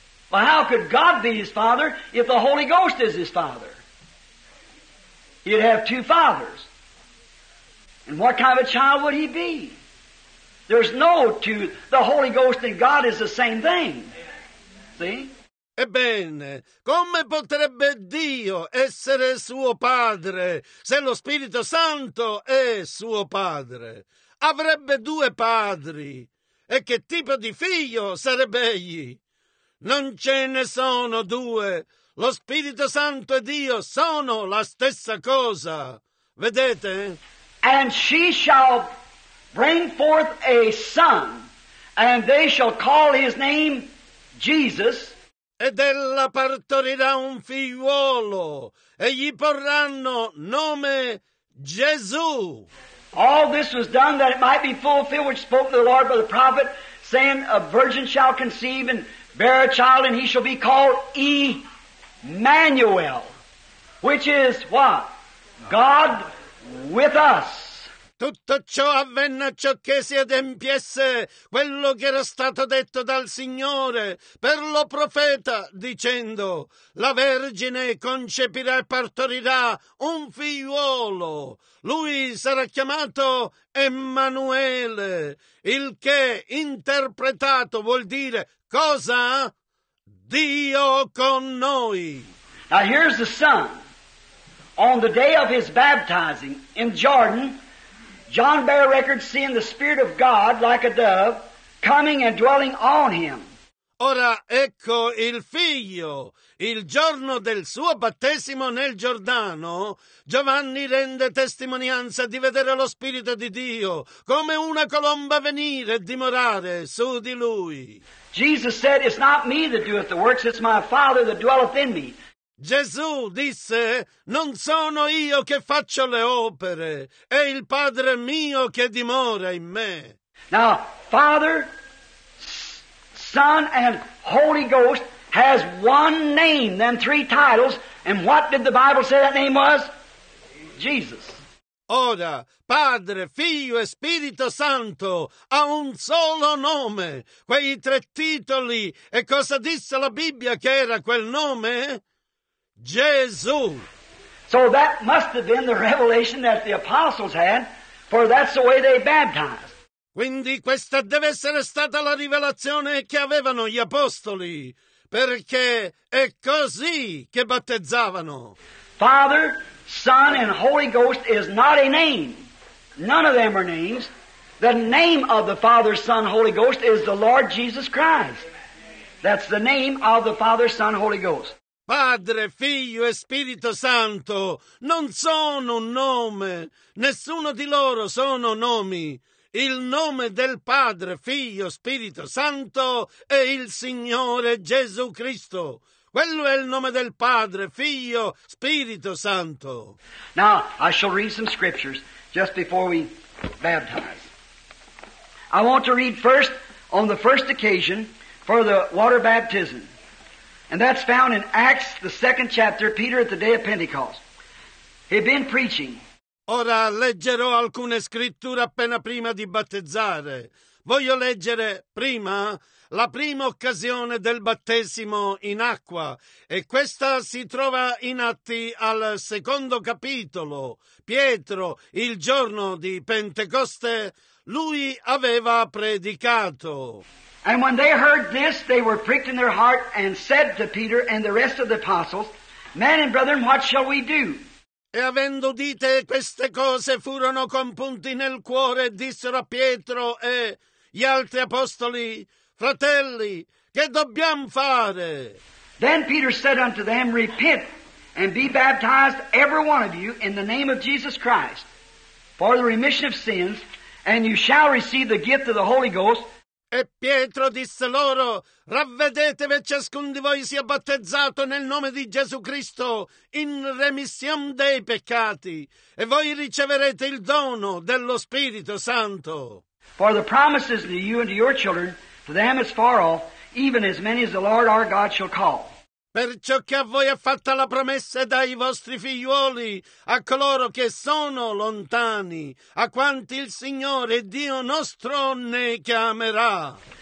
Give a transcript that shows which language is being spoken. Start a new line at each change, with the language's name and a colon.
English: But how could God be his father if the Holy Ghost is his father? He'd have two fathers. And what kind of a child would he be? There's no two. The Holy Ghost and God is the same thing. See?
Italian: Ebbene, come potrebbe Dio essere suo padre se lo Spirito Santo è suo padre? Avrebbe due padri. E che tipo di figlio sarebbe egli? Non ce ne sono due. Lo Spirito Santo e Dio sono la stessa cosa. Vedete?
English: And she shall bring forth a son, and they shall call his name Jesus.
Italian: Ed ella partorirà un figliuolo, e gli porranno nome Gesù.
English: All this was done that it might be fulfilled which spoke to the Lord by the prophet, saying, a virgin shall conceive and bear a child, and he shall be called Emmanuel, which is what? God with us.
Italian: Tutto ciò avvenne ciò che si adempiesse quello che era stato detto dal Signore per lo profeta, dicendo, la Vergine concepirà e partorirà un figliuolo. Lui sarà chiamato Emmanuele, il che interpretato vuol dire cosa? Dio con noi.
English: Now here's the son. On the day of his baptizing in Jordan, John bare record seeing the Spirit of God like a dove coming and dwelling on him.
Italian: Ora ecco il figlio. Il giorno del suo battesimo nel Giordano, Giovanni rende testimonianza di vedere lo Spirito di Dio come una colomba venire e dimorare su di lui.
English: Jesus said, it's not me that doeth the works, it's my Father that dwelleth in me.
Italian: Gesù disse, non sono io che faccio le opere, è il Padre mio che dimora in me.
English: Now, Father, Son, and Holy Ghost has one name, them three titles, and what did the Bible say that name was? Jesus.
Italian: Ora, Padre, Figlio e Spirito Santo ha un solo nome, quei tre titoli, e cosa disse la Bibbia che era quel nome? Gesù.
English: So that must have been the revelation that the apostles had, for that's the way they baptized.
Italian: Quindi questa deve essere stata la rivelazione che avevano gli apostoli, perché è così che battezzavano.
English: Father, Son, and Holy Ghost is not a name. None of them are names. The name of the Father, Son, Holy Ghost is the Lord Jesus Christ. That's the name of the Father, Son, Holy Ghost.
Italian: Padre, Figlio e Spirito Santo non sono un nome, nessuno di loro sono nomi. Il nome del Padre, Figlio, Spirito Santo è il Signore Gesù Cristo. Quello è il nome del Padre, Figlio, Spirito Santo.
English: Now, I shall read some scriptures just before we baptize. I want to read first, on the first occasion, for the water baptism. And that's found in Acts, the second chapter, Peter at the day of Pentecost. He'd been preaching.
Italian: Ora leggerò alcune scritture appena prima di battezzare. Voglio leggere prima la prima occasione del battesimo in acqua. E questa si trova in Atti al secondo capitolo. Pietro, il giorno di Pentecoste, lui aveva predicato.
English: And when they heard this, they were pricked in their heart and said to Peter and the rest of the apostles, Men and brethren, what shall we do?
Italian: E avendo udite queste cose, furono compunti nel cuore, dissero a Pietro e gli altri apostoli, Fratelli, che dobbiamo fare?
English: Then Peter said unto them, Repent and be baptized, every one of you, in the name of Jesus Christ, for the remission of sins, and you shall receive the gift of the Holy Ghost.
Italian: E Pietro disse loro, ravvedetevi, ciascun di voi sia battezzato nel nome di Gesù Cristo in remission dei peccati, e voi riceverete il dono dello Spirito Santo.
English: For the promises to you and to your children, to them as far off, even as many as the Lord our God shall call.
Italian: Perciò che a voi è fatta la promessa dai vostri figliuoli, a coloro che sono lontani, a quanti il Signore Dio nostro ne chiamerà.